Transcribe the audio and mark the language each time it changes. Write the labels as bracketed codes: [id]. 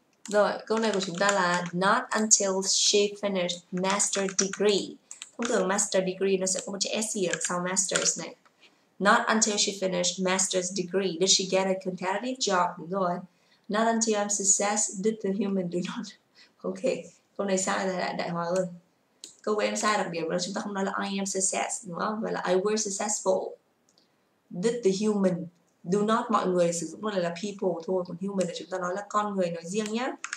[vi] Rồi, câu này của chúng ta là [en] not until she finished master degree. [vi] Thông thường master degree nó sẽ có một chữ SE đằng sau masters này. [en] Not until she finished master's degree did she get a competitive job. [vi] Đúng rồi. [en] Not until I'm success did the human do not. [vi] Ok, câu này sai là đại hòa ơi. Câu của em sai đặc biệt là chúng ta không nói là [en] I am success, [vi] đúng không? Và là [en] I were successful. Did the human do not, [vi] mọi người sử dụng là people thôi, còn human là chúng ta nói là con người nói riêng nhé.